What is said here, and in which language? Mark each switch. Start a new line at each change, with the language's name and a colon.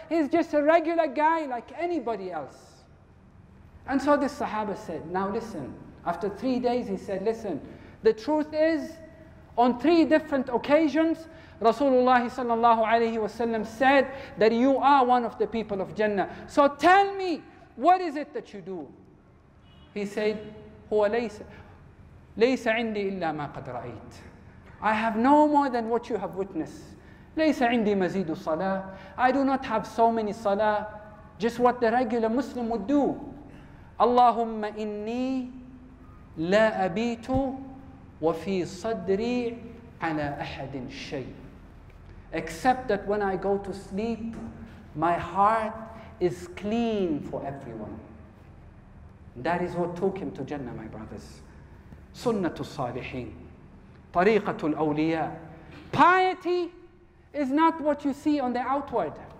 English: He's just a regular guy like anybody else. And so this Sahaba said, now listen, After 3 days, he said, listen, the truth is, on 3 different occasions, Rasulullah sallallahu alayhi wa sallam said that you are one of the people of Jannah. So tell me, what is it that you do?
Arabic: He said, هو ليس عندي إلا ما قد رأيت.
English: I have no more than what you have witnessed.
Arabic: ليس عندي مزيد الصلاة.
English: I do not have so many salah. Just what the regular Muslim would do.
Arabic: اللهم إني لا أبيت وفي صدري على أحد شيء.
English: Except that when I go to sleep, my heart is clean for everyone. That is what took him to Jannah, my brothers.
Arabic: Sunnatu Salihin, Tariqatul Awliya.
English: Piety is not what you see on the outward.